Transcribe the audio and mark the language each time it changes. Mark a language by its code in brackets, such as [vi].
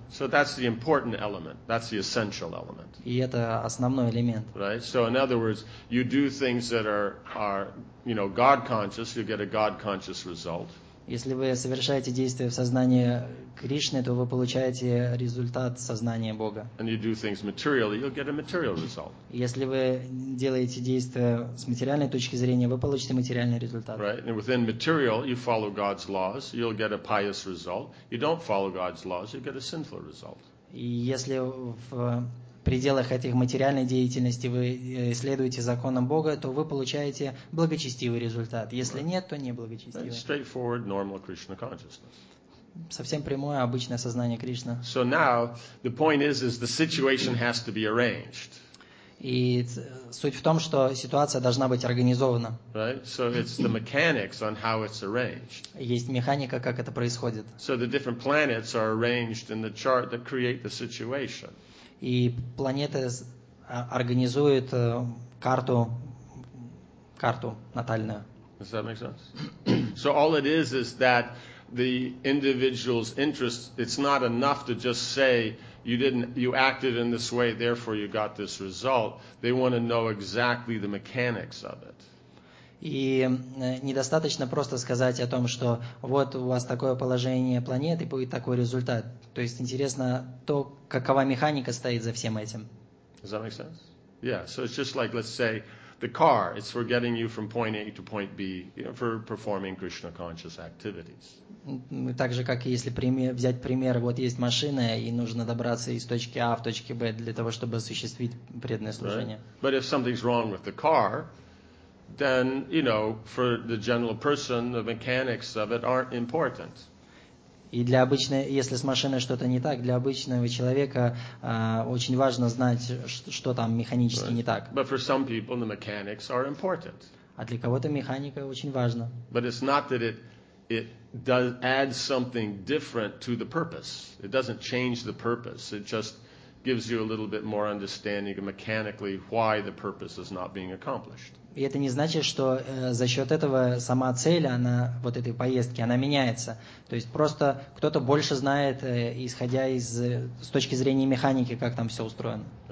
[en] So that's the important element. That's the essential element. [ru] И это основной элемент. [en] Right? So in other words, you do things that are you know, God conscious, you get a God conscious result. [ru] Если вы совершаете действия в сознании Кришны, то вы получаете результат сознания Бога. [en] And you do things materially, you'll get a material result. [ru] Если вы делаете действия с материальной точки зрения, вы получите материальный результат. [en] Right? And within material, you follow God's laws, you'll get a pious result. You don't follow God's laws, you get a sinful result. [ru] И если в пределах этих материальной деятельности вы следуете законам Бога, то вы получаете благочестивый результат. Если нет, то не благочестивый. [en] That's straightforward, normal Krishna consciousness. [ru] Совсем прямое, обычное сознание Кришны. [en] So now, the point is the situation has to be arranged. [ru] И суть в том, что ситуация должна быть организована. [en] Right? So it's the mechanics on how it's arranged. [ru] Есть механика, как это происходит. [en] So the different planets are arranged in the chart that create the situation. [ru] И планеты организуют карту натальную. [en] Does that make sense? So all it is that the individual's interest, it's not enough to just say you acted in this way, therefore you got this result. They want to know exactly the mechanics of it. [ru] И недостаточно просто сказать о том, что вот у вас такое положение планеты, будет такой результат. То есть интересно то, какова механика стоит за всем этим. [en] Does that make sense? Yeah, so it's just like, let's say, the car. It's for getting you from point A to point B, you know, for performing Krishna conscious activities. [ru] Так же, как и если взять пример, вот есть машина, и нужно добраться из точки А в точке Б для того, чтобы осуществить преданное служение. [en] Right? But if something's wrong with the car, then, you know, for the general person, the mechanics of it aren't important. [ru] И для обычной, если с машиной что-то не так, для обычного человека очень важно знать, что там механически [en] right. [ru] не так. [en] But for some people, the mechanics are important. [ru] А для кого-то механика очень важна. [en] But it's not that it does add something different to the purpose. It doesn't change the purpose. It just gives you a little bit more understanding mechanically why the purpose is not being accomplished. [ru] И это не значит, что за счет этого сама цель, она вот этой поездки, она меняется. То есть просто кто-то больше знает, исходя из с точки зрения механики, как там все устроено.